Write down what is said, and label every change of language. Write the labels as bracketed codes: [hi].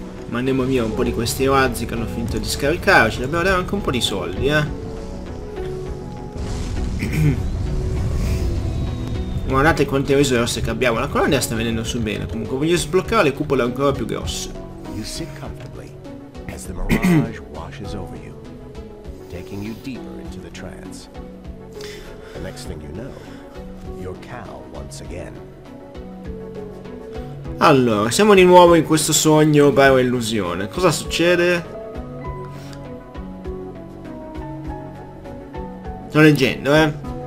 [it] Mandiamo via un po' di questi razzi che hanno finito di scaricarci. Dobbiamo dare anche un po' di soldi, eh. Guardate quante risorse che abbiamo. La colonia sta venendo su bene. Comunque voglio sbloccare le cupole ancora più grosse. [en] You sit comfortably as the mirage washes over you, taking you deeper into the trance. The next thing you know, your cow once again. [it] Allora, siamo di nuovo in questo sogno barra illusione. Cosa succede? Sto leggendo, eh.